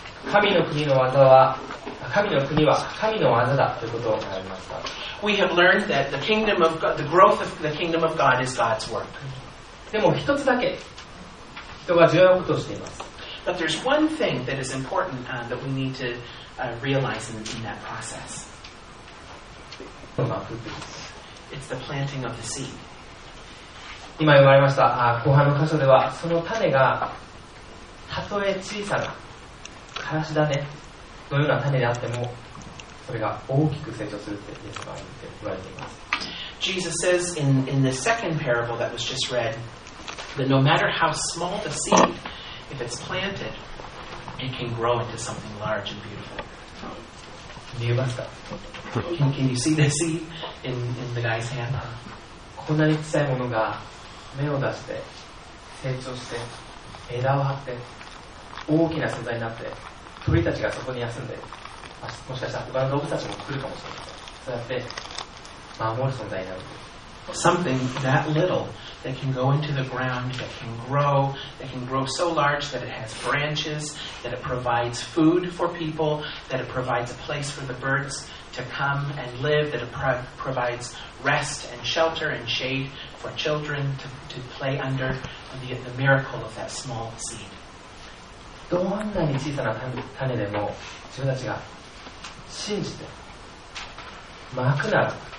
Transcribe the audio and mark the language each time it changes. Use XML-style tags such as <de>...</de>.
<ja>神の国の技は神の国は神の技だということを学びました。</ja> <en>We have learned that the kingdom of God, the growth of the kingdom of God is God's work.</en> <ja>でも一つだけ人が重要なことをしています。</ja> <en>But there's one thing that is important that we need to realize in that process. It's the planting of the seed.</en> <ja>今言われました。後半の箇所ではその種がたとえ小さなからし種のような種であってもそれが大きく成長するって言われています。</ja> <en>Jesus says in the second parable that was just read that no matter how small the seed, if it's planted, it can grow into something large and beautiful.</en> <ja>見えますか？</ja> <en>Can you see the seed in the guy's hand?</en> <ja>こんなに小さいものが芽を出して成長して枝を張って大きな素材になって鳥たちがそこに休んでもしかしたら他の動物たちも来るかもしれません。そうやって守る存在になるんです。</ja> <en>Something that little that can go into the ground, that can grow so large that it has branches, that it provides food for people, that it provides a place for the birds to come and live, that it provides rest and shelter and shade for children to play under the miracle of that small seed.</en> <ja>どんなに小さな種でも自分たちが信じて、まくなる。</ja>